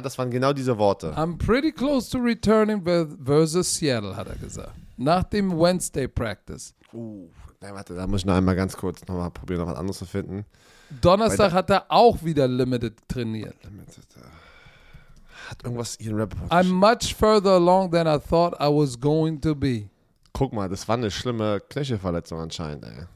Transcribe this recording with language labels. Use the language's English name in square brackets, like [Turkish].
[German] Das waren genau diese Worte. [English] I'm pretty close to returning versus Seattle, [German] hat er gesagt. Nach dem Wednesday Practice. Nein, warte, da muss ich noch einmal ganz kurz noch mal probieren, noch was anderes zu finden. Donnerstag hat er auch wieder limited trainiert. Hat irgendwas Ian Rappaport. [English] I'm much further along than I thought I was going to be. [German] Guck mal, das war eine schlimme Knöchelverletzung anscheinend, ey.